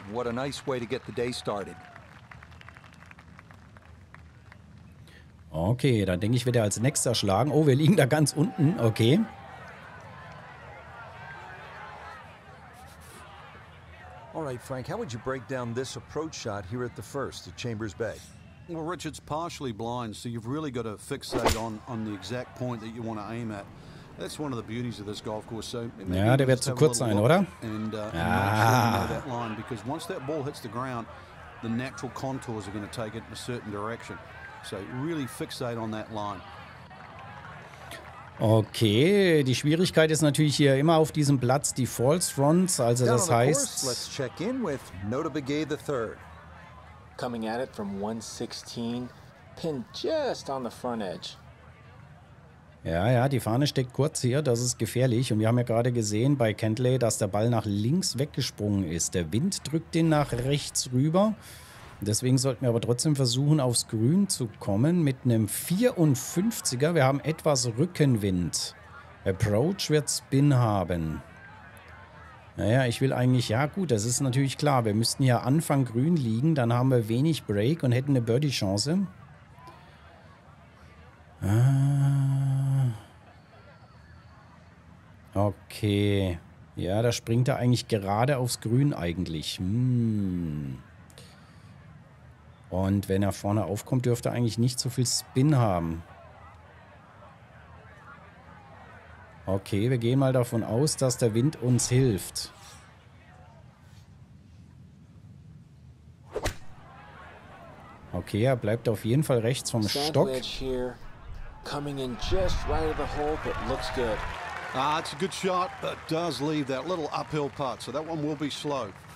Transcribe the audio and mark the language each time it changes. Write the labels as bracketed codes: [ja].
[en] What a nice way to get the day started. [de] Okay, dann denke ich, wird er als nächster schlagen. Oh, wir liegen da ganz unten. Okay. [en] All right, Frank, how would you break down this approach shot here at the first, at Chambers Bay? Well, Richard's partially blind, so you've really got to fixate on the exact point that you want to aim at. That's one of the beauties of this golf course. So [de] ja, der wird zu kurz sein, oder? [en] And, ah. And sure, because once that ball hits the ground, the natural contours are going to take it in a certain direction. So really fixate on that line. [de] Okay, die Schwierigkeit ist natürlich hier immer auf diesem Platz die false fronts, also das heißt, [en] course, let's check in with Nota Begay the third. Coming at it from 116, pin just on the front edge. [de] Ja, die Fahne steckt kurz hier, das ist gefährlich. Und wir haben ja gerade gesehen bei Kentley, dass der Ball nach links weggesprungen ist. Der Wind drückt den nach rechts rüber. Deswegen sollten wir aber trotzdem versuchen, aufs Grün zu kommen mit einem 54er. Wir haben etwas Rückenwind. Approach wird Spin haben. Naja, ich will eigentlich, ja gut, das ist natürlich klar. Wir müssten hier Anfang grün liegen, dann haben wir wenig Break und hätten eine Birdie-Chance. Okay. Ja, da springt er eigentlich gerade aufs Grün eigentlich. Und wenn er vorne aufkommt, dürfte er eigentlich nicht so viel Spin haben. Okay, wir gehen mal davon aus, dass der Wind uns hilft. Okay, er bleibt auf jeden Fall rechts vom Stock. [en] Coming in just right of the hole, but looks good. It's a good shot, but does leave that little uphill putt, so that one will be slow.